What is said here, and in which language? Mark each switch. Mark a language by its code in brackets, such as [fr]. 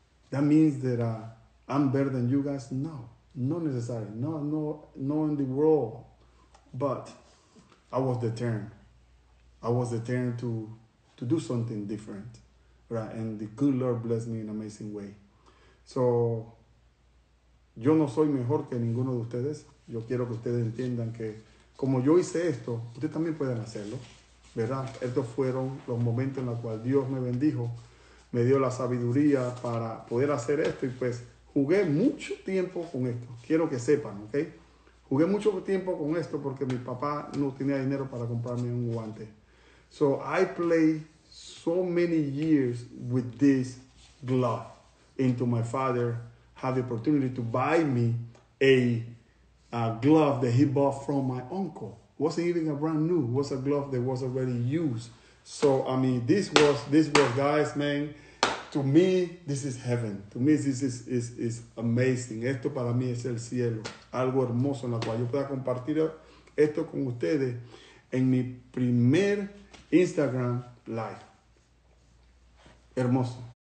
[en] That means that I'm better than you guys? No, not necessarily. No, in the world. But I was determined. I was determined to do something different, right? And the good Lord blessed me in an amazing way. [es] So, yo no soy mejor que ninguno de ustedes. Yo quiero que ustedes entiendan que como yo hice esto, ustedes también pueden hacerlo, ¿verdad? Estos fueron los momentos en los cuales Dios me bendijo. Me dio la sabiduría para poder hacer esto y pues jugué mucho tiempo con esto. Quiero que sepan, ¿ok? Jugué mucho tiempo con esto porque mi papá no tenía dinero para comprarme un guante. [en] So I played so many years with this glove until my father had the opportunity to buy me a glove that he bought from my uncle. Wasn't even a brand new. It was a glove that was already used. So, I mean, this was, guys, man, to me, this is heaven. To me, this is amazing. [es] Esto para mí es el cielo. Algo hermoso en la cual yo pueda compartir esto con ustedes en mi primer Instagram live. Hermoso.